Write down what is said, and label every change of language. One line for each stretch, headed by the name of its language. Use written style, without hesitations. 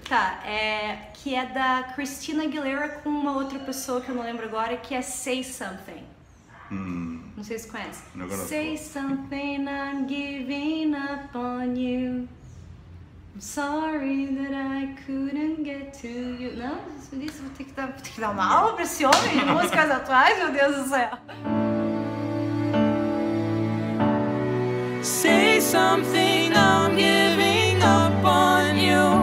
Portuguese: Tá, que é da Christina Aguilera com uma outra pessoa que eu não lembro agora, que é Say Something. Não sei se você conhece.
English: Say something, I'm giving up on you. I'm sorry that I couldn't get to you.
Portuguese: Não, isso vou ter que dar, uma aula pra esse homem de músicas atuais, meu Deus do céu.
English: Say something, I'm giving up on you.